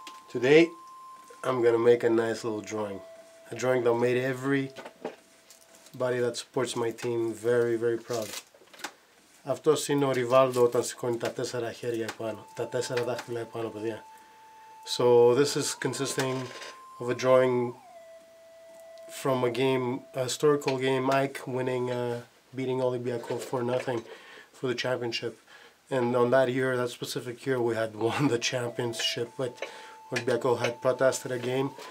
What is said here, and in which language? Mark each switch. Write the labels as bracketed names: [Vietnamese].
[English] Today, I'm gonna make a nice little drawing. A drawing that made everybody that supports my team very, very proud. [Greek] Αυτός είναι ο Rivaldo όταν σηκώνει τα τέσσερα χέρια επάνω, τα τέσσερα δάχτυλα επάνω, παιδιά. [English] So this is consisting of a drawing from a game, a historical game, Ike winning, beating Olympiacos 4-0 for the championship. And on that year, that specific year, we had won the championship, but Olympiacos had protested a game.